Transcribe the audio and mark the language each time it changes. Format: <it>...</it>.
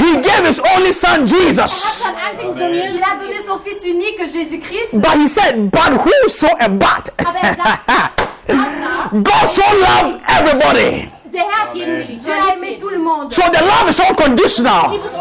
<en>He gave his only son Jesus.</en> <fr>Il a donné son fils unique Jésus-Christ.</fr> <en>But he said, but who so a but? God so loved everybody. So the love is unconditional.</en>